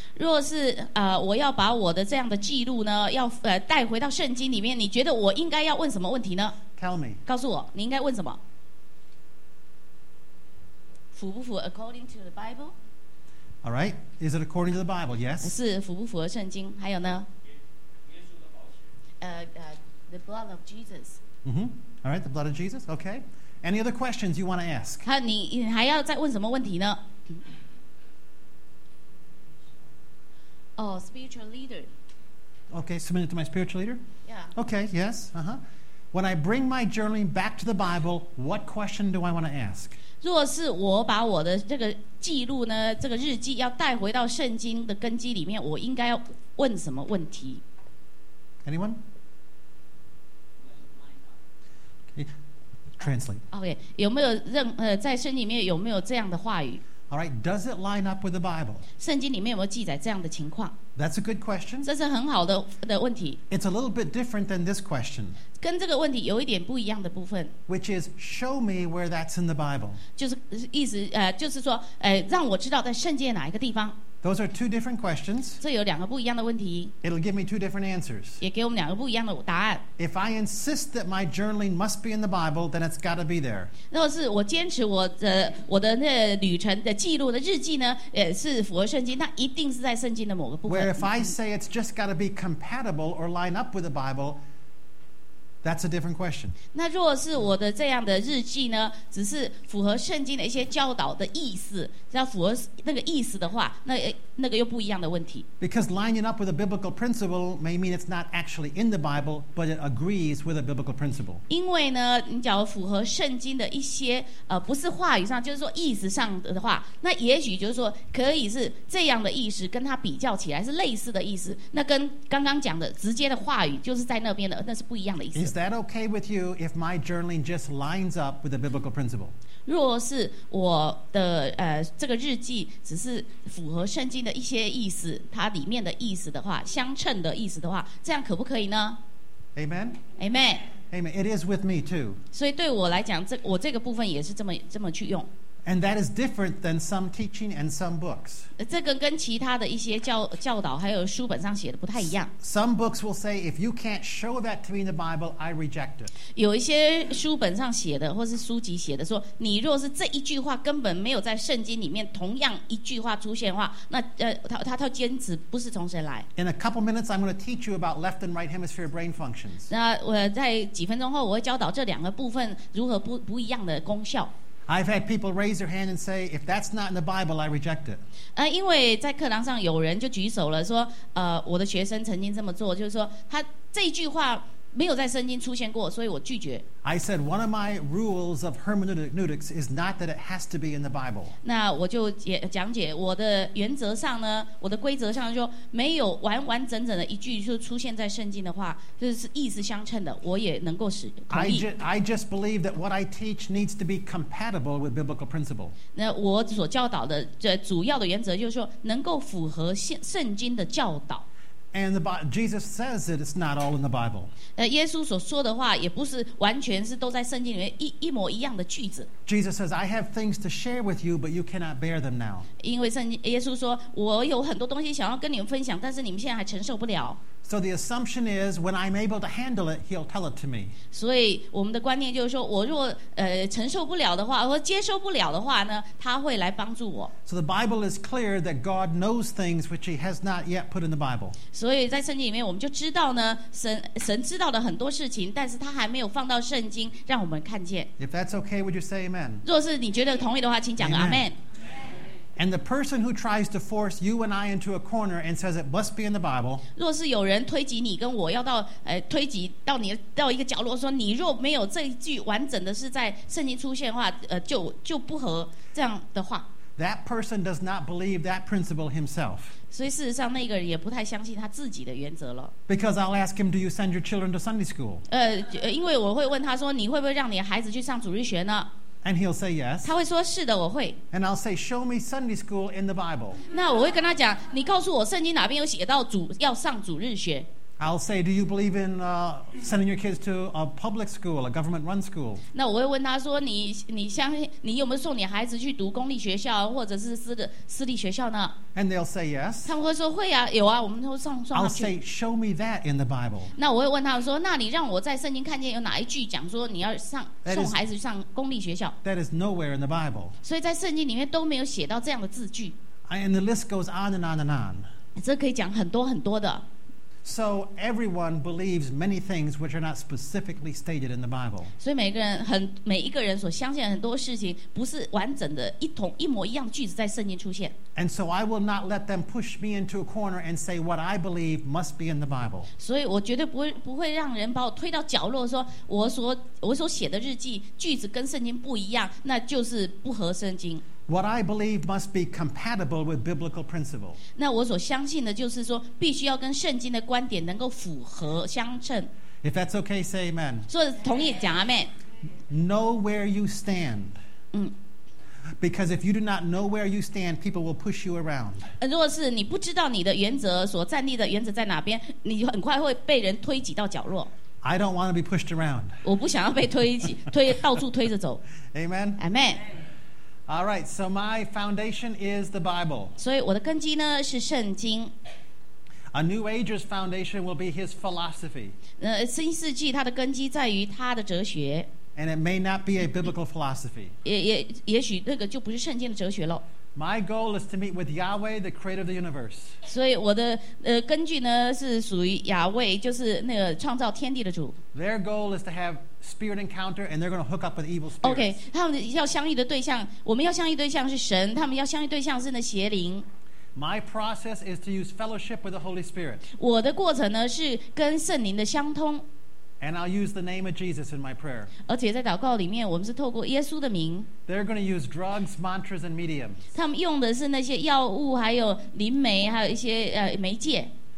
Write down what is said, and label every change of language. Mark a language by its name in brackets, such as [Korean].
[Chinese] 若是我要把我的这样的记录呢，要带回到圣经里面，你觉得我应该要问什么问题呢？ [English] Tell me. [Chinese] 告诉我，你应该问什么？符不符 [English] according to the Bible? All right. Is it according to the Bible? Yes. [Chinese] 是符不符合圣经？还有呢？耶稣的宝血。 [English] The blood of Jesus. Mm-hmm. All right. The blood of Jesus. Okay. Any other questions you want to ask? [Chinese] 你还要再问什么问题呢？ [English] Spiritual leader. Okay, submit it to my spiritual leader? Yeah. Okay, yes. When I bring my journaling back to the Bible, what question do I want to ask? [Chinese] 若是我把我的这个记录呢，这个日记要带回到圣经的根基里面，我应该要问什么问题？ [English] Anyone? Translate. Okay. [Chinese] 有没有任何在圣经里面有没有这样的话语？ [English] All right, does it line up with the Bible? [Chinese] 圣经里面有没有记载这样的情况？ [English] That's a good question. [Chinese] 这是很好 的问题。 [English] It's a little bit different than this question. [Chinese] 跟这个问题有一点不一样的部分。 [English] Which is, show me where that's in the Bible. [Chinese] 就是说让我知道在圣经哪一个地方。 [English] Those are two different questions. [Chinese] 这有两个不一样的问题。 [English] It'll give me two different answers. [Chinese] 也给我们两个不一样的答案。 [English] If I insist that my journaling must be in the Bible, then it's got to be there. [Chinese] 若是我坚持我的那旅程的记录的日记呢，也是符合圣经，那一定是在圣经的某个部分。 [English] Where if I say it's just got to be compatible or line up with the Bible, that's a different question. [Chinese] 那若是我的这样的日记呢，只是符合圣经的一些教导的意思，要符合那个意思的话，那个又不一样的问题。 [English] Because lining up with a biblical principle may mean it's not actually in the Bible, but it agrees with a biblical principle. [Chinese] 因为呢，你只要符合圣经的一些不是话语上，就是说意思上的话，那也许就是说可以是这样的意思，跟它比较起来是类似的意思，那跟刚刚讲的直接的话语就是在那边的，那是不一样的意思。 [English] Is that okay with you if my journaling just lines up with a biblical principle? [Chinese] 若是我的这个日记只是符合圣经的一些意思，它里面的意思的话，相称的意思的话，这样可不可以呢？ [English] Amen. Amen. Amen. It is with me too. [Chinese] 所以对我来讲，我这个部分也是这么去用。 [English] And that is different than some teaching and some books. [Chinese] 这个跟其他的一些教导还有书本上写的不太一样。 [English] Some books will say, if you can't show that to me in the Bible, I reject it. [Chinese] 有一些书本上写的或是书籍写的说，你若是这一句话根本没有在圣经里面同样一句话出现的话，那他坚持不是从神来。 [English] In a couple minutes, I'm going to teach you about left and right hemisphere brain functions. [Chinese] 那我在几分钟后我会教导这两个部分如何不一样的功效。 [English] I've had people raise their hand and say, if that's not in the Bible, I reject it. [Chinese] 因为在课堂上有人就举手了说我的学生曾经这么做，就是说他这句话没有在圣经出现过，所以我拒绝。 [English] I said, one of my rules of hermeneutics is not that it has to be in the Bible. [Chinese] 那我就讲解我的原则上呢，我的规则上就没有完完整整的一句就出现在圣经的话，就是意思相称的，我也能够使同意。 [English] I just believe that what I teach needs to be compatible with biblical principle. [Chinese] 那我所教导的这主要的原则就是说，能够符合圣经的教导。 [English] And Jesus says that it's not all in the Bible. [Chinese] 耶稣所说的话也不是完全是都在圣经里面一模一样的句子。 [English] Jesus says, I have things to share with you, but you cannot bear them now. [Chinese] 因为耶稣说，我有很多东西想要跟你们分享，但是你们现在还承受不了。 [English] So the assumption is, when I'm able to handle it, he'll tell it to me. [Chinese] 所以我们的观念就是说，我若承受不了的话，或接受不了的话呢，他会来帮助我。 [English] So the Bible is clear that God knows things which he has not yet put in the Bible. [Chinese] 所以在圣经里面我们就知道呢， 神知道了很多事情，但是他还没有放到圣经让我们看见。 [English] If that's okay, would you say amen? [Chinese] 若是你觉得同意的话，请讲个 amen。 [English] And the person who tries to force you and I into a corner and says it must be in the Bible. [Chinese] 若是有人推挤你跟我要到推挤到你到一个角落说你若没有这一句完整的是在圣经出现的话就不合这样的话。 [English] That person does not believe that principle himself. [Chinese] 所以事实上那个人也不太相信他自己的原则了。 [English] Because I'll ask him, do you send your children to Sunday school? [Chinese] 因为我会问他说你会不会让你孩子去上主日学呢？ [English] And he'll say yes. [Chinese] 他会说是的，我会。 [English] And I'll say, show me Sunday school in the Bible. [Chinese] 那我会跟他讲，你告诉我圣经哪边有写到要上主日学。 [English] I'll say, do you believe in sending your kids to a public school, a government-run school? [Chinese] 那我会问他说，你相信你有没有送你孩子去读公立学校或者是私立学校呢？ [English] And they'll say yes. [Chinese] 他们会说会啊，有啊，我们都送他去。 [English] I'll say, show me that in the Bible. [Chinese] 那我会问他说，那你让我在圣经看见有哪一句讲说你要上 [English] that is, [Chinese] 送孩子上公立学校？ [English] That is nowhere in the Bible. [Chinese] 所以在圣经里面都没有写到这样的字句。 [English] And the list goes on and on and on. [Chinese] 这可以讲很多很多的。 [English] So everyone believes many things which are not specifically stated in the Bible. [Chinese] 所以每一个人所相信的很多事情不是完整的一模一样句子在圣经出现。 [English] And so I will not let them push me into a corner and say what I believe must be in the Bible. [Chinese] 所以我绝对不会让人把我推到角落说我所写的日记句子跟圣经不一样，那就是不合圣经。 [English] What I believe must be compatible with biblical principle. [Chinese] 那我所相信的就是说必须要跟圣经的观点能够符合相称。 [English] If that's okay, say amen. [Chinese] 所以同意讲 amen. [English] Know where you stand. Because if you do not know where you stand, people will push you around. [Chinese] 如果是你不知道你的原则所站立的原则在哪边，你很快会被人推挤到角落。 [English] I don't want to be pushed around. [Chinese] 我不想要被推挤，推到处推着走。 [English] Amen. Amen. All right, so my foundation is the Bible. [Chinese] 所以我的根基呢是圣经。 [English] A New Ager's foundation will be his philosophy. [Chinese] 新世纪他的根基在于他的哲学。 [English] And it may not be a biblical philosophy. [Chinese] 也许那个就不是圣经的哲学了。 [English] My goal is to meet with Yahweh, the creator of the universe. [Chinese] 所以我的根据呢是属于亚伟，就是那个创造天地的主。 [English] Their goal is to have spirit encounter, and they're going to hook up with evil spirits. [Chinese] Okay, 他们要相遇的对象，我们要相遇对象是神，他们要相遇对象是那邪灵。 [English] My process is to use fellowship with the Holy Spirit. [Chinese] 我的过程呢是跟圣灵的相通。 [English] And I'll use the name of Jesus in my prayer. [Chinese] 而且在祷告里面，我们是透过耶稣的名。 [English] They're going to use drugs, mantras, and mediums. [Chinese] 他们用的是那些药物，还有灵媒，还有一些媒介。